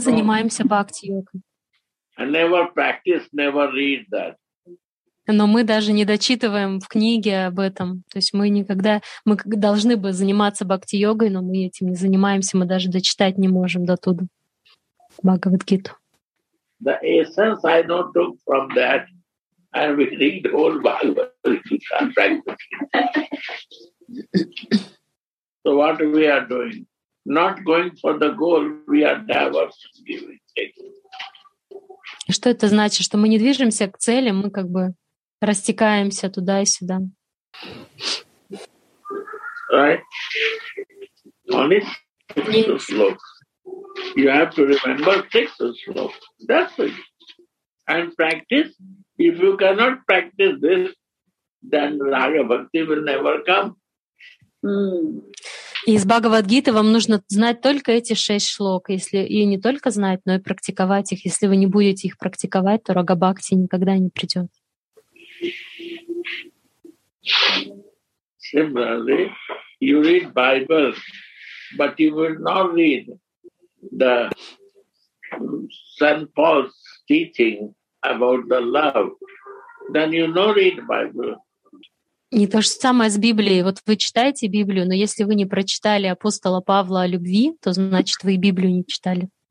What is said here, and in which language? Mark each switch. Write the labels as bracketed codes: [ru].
[ru] Занимаемся бхакти-йогой. [en] I never practice, never read that. [ru] Но мы даже не дочитываем в книге об этом. То есть мы никогда... Мы должны бы заниматься бхакти-йогой, но мы этим не занимаемся, мы даже дочитать не можем до туда. Бхагавад-гиту. [en] The essence I don't took from that, and we read whole Bhagavad-gita. So what we are doing? Not going for the goal, we are never giving. [ru] Что это значит, что мы не движемся к цели, мы как бы растекаемся туда и сюда. [en] Right. Only six slokas. You have to remember 6 slokas. That's it. And practice. If you cannot practice this, then Raga Bhakti will never come. [ru] И из Бхагавад-гиты вам нужно знать только эти 6 шлок, если и не только знать, но и практиковать их. Если вы не будете их практиковать, то рага-бхакти никогда не придет. [en] Similarly, you read Bible, but you will not read the Saint Paul's teaching about the love. Then you not read Bible. [ru] Не то же самое с Библией. Вот вы читаете Библию, но если вы не прочитали апостола Павла о любви, то значит, вы и Библию не читали.